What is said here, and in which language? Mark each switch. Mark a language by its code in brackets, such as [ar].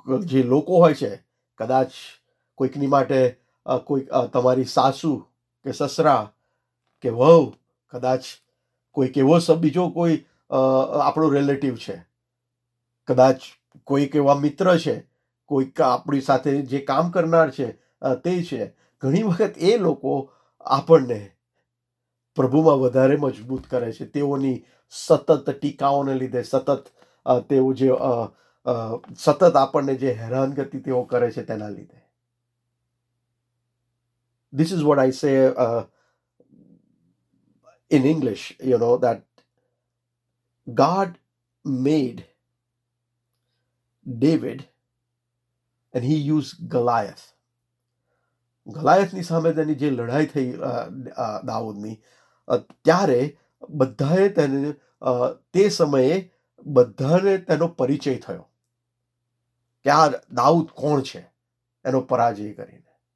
[gu] જે લોકો હોય છે, કદાચ કોઈકની માટે કોઈક તમારી સાસુ કે સસરા કે વહુ, કદાચ કોઈક એવો સબ બીજો કોઈ આપણો રિલેટિવ છે, કદાચ કોઈક એવા મિત્ર છે, કોઈક આપણી સાથે જે કામ કરનાર છે તે છે, ઘણી વખત એ લોકો આપણને પ્રભુમાં વધારે મજબૂત કરે છે. તેઓની સતત ટીકાઓને લીધે, સતત તેઓ જે સતત આપણને જે હેરાનગતિ તેઓ કરે છે તેના લીધે. [en] This is what I say in English, you know, that God made David and he used Goliath. [gu] ગોલિયાથની સામે તેની જે લડાઈ થઈ દાઉદની, ત્યારે બધાએ તેને, તે સમયે બધાને તેનો પરિચય થયો કે આ દાઉદ કોણ છે એનો પરાજય કરીને.